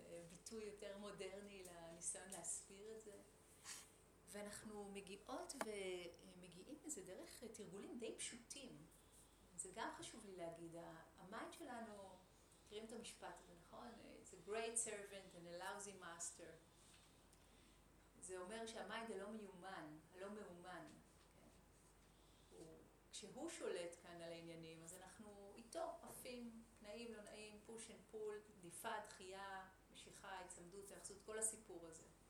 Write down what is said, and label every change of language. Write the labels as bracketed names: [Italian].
[Hebrew] ביטוי יותר מודרני לניסיון להסביר את זה. ואנחנו מגיעות ומגיעים לזה דרך תרגולים די פשוטים. זה גם חשוב לי להגיד, המיינד שלנו, תראים את המשפט הזה, נכון? [English] It's a great servant and a lousy master. [Hebrew] זה אומר שהמיינד הלא מיומן, הלא מאומן. כן? כשהוא שולט כאן על העניינים, אז אנחנו איתו עפים, נעים, לא נעים, [English] פוש אנד פול, [Hebrew] דיפה, דחייה, משיכה, הצמדות, היחסות, כל הסיפור הזה.